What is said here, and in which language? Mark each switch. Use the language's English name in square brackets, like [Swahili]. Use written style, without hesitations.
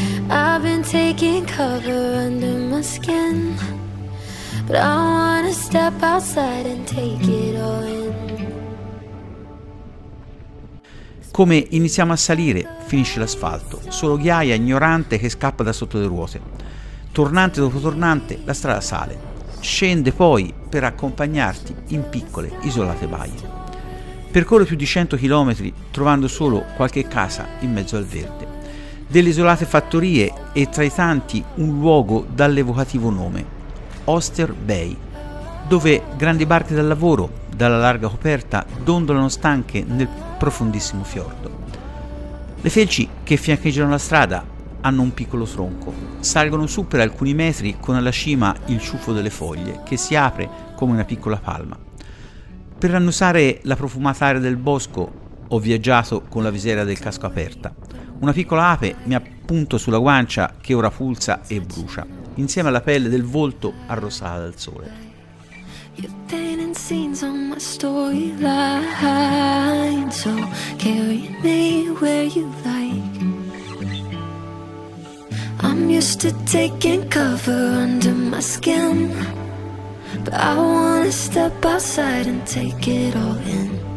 [English] I've been taking cover under my skin, but I wanna step outside and take it all in. [Italian] Come iniziamo a salire, finisce l'asfalto, solo ghiaia ignorante che scappa da sotto le ruote. Tornante dopo tornante, la strada sale, scende poi per accompagnarti in piccole, isolate baie. Percorro più di 100 km trovando solo qualche casa in mezzo al verde, delle isolate fattorie e tra i tanti un luogo dall'evocativo nome, Oyster Bay, dove grandi barche da lavoro, dalla larga coperta, dondolano stanche nel profondissimo fiordo. Le felci che fiancheggiano la strada hanno un piccolo tronco, salgono su per alcuni metri con alla cima il ciuffo delle foglie che si apre come una piccola palma. Per annusare la profumata aria del bosco ho viaggiato con la visiera del casco aperta. Una piccola ape mi appunto sulla guancia che ora pulsa e brucia, insieme alla pelle del volto arrossata dal sole. [English] You're painting scenes on my storyline, so carry me where you like. I'm used to taking cover under my skin, but I wanna step outside and take it all in.